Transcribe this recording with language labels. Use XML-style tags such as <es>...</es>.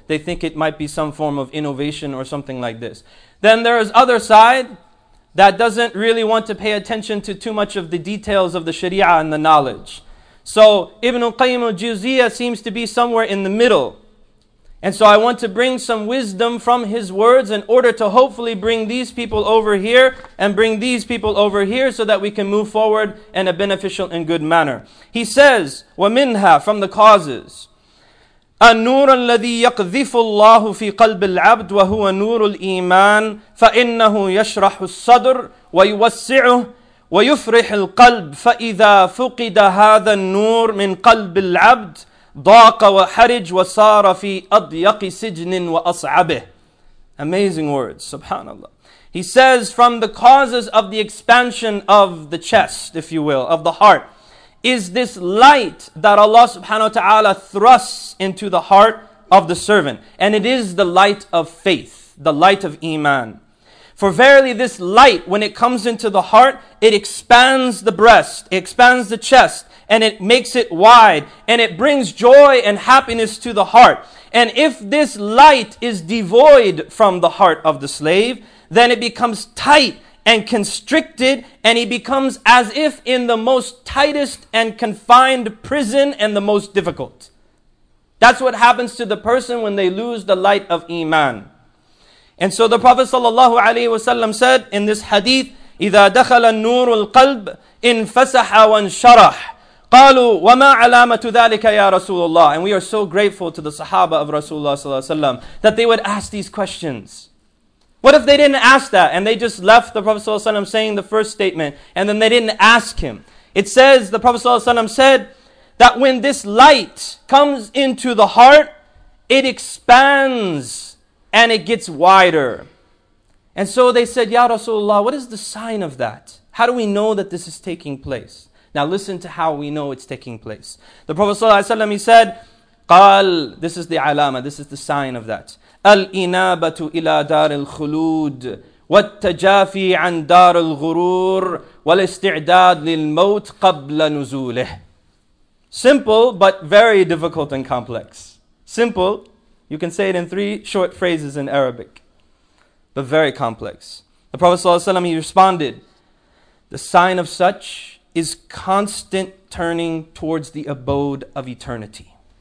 <en>They think it might be some form of innovation or something like this. Then there is other side that doesn't really want to pay attention to too much of the details of the Sharia and the knowledge. So Ibn al-Qayyim al-Jawziyyah seems to be somewhere in the middle. And so I want to bring some wisdom from his words in order to hopefully bring these people over here and bring these people over here so that we can move forward in a beneficial and good manner. He says,</en> <ar>وَمِنْهَا,</ar> <en>from the causes,</en> <ar>أَنُّورَ الَّذِي يَقْذِفُ اللَّهُ فِي قَلْبِ الْعَبْدِ وَهُوَ نُورُ الْإِيمَانِ فَإِنَّهُ يَشْرَحُ الصَّدْرُ وَيُوَسِّعُهُ ويفرح القلب فإذا فقد هذا النور من قلب العبد ضاق وحرج وصار في أضيق سجن وأصعبه.</ar> <en>Amazing words, subhanAllah. He says, from the causes of the expansion of the chest, if you will, of the heart, is this light that Allah subhanahu wa ta'ala thrusts into the heart of the servant. And it is the light of faith, the light of iman. For verily this light, when it comes into the heart, it expands the breast, it expands the chest, and it makes it wide, and it brings joy and happiness to the heart. And if this light is devoid from the heart of the slave, then it becomes tight and constricted, and he becomes as if in the most tightest and confined prison and the most difficult. That's what happens to the person when they lose the light of iman. And so the Prophet sallallahu alaihi wasallam said in this hadith,</en> <ar>إِذَا دَخَلَ النُّورُ الْقَلْبِ انْفَسَحَ وَانْشَرَحَ قَالُوا وَمَا عَلَامَةُ ذَلِكَ يَا رَسُولُ اللَّهِ.</ar> <en>And we are so grateful to the Sahaba of Rasulullah sallallahu alaihi wasallam that they would ask these questions. What if they didn't ask that and they just left the Prophet sallallahu alaihi wasallam saying the first statement and then they didn't ask him? It says the Prophet sallallahu alaihi wasallam said that when this light comes into the heart, it expands and it gets wider. And so they said, Ya Rasulullah, what is the sign of that? How do we know that this is taking place? Now listen to how we know it's taking place. The Prophet sallallahu alaihi wasallam, he said, قال, this is the alama, this is the sign of that.</en> <ar>الإنابة إلى دار الخلود والتجافي عن دار الغرور والاستعداد للموت قبل نزوله.</ar> <en>Simple, but very difficult and complex. Simple, you can say it in three short phrases in Arabic, but very complex. The Prophet ﷺ, he responded, the sign of such is constant turning towards the abode of eternity.</en>